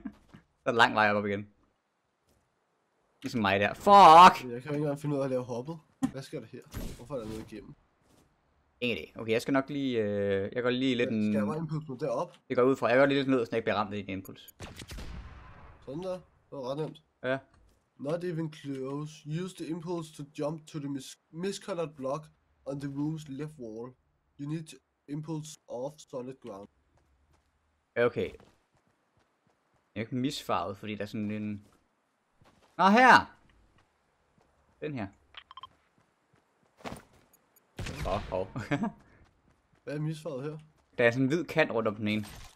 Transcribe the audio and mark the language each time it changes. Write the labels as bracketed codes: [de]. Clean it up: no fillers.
[da] Så er det lang vej op igen. Ligesom mig der. Fuck! Jeg kan ikke engang finde ud af at lave hoppet. Hvad sker der her? Hvorfor er der noget igennem? Ingen idé. Okay, jeg skal nok lige... jeg går lige lidt... Skal jeg bare impulse nu derop? Det går ud fra. Jeg går lige lidt ned, så jeg ikke bliver ramt af din impuls. Sådan der. Det var ret nemt. Ja. [en] Not even close. Use the impulse to jump to the miscolored block on the room's left wall. You need to impulse off solid ground. Okay. [da] Jeg er ikke misfarvet, fordi der er sådan en... Nå, her! Den her. Åh, oh, hov. Oh. Hvad er misfarvet her? Der er sådan en hvid kant rundt om den ene.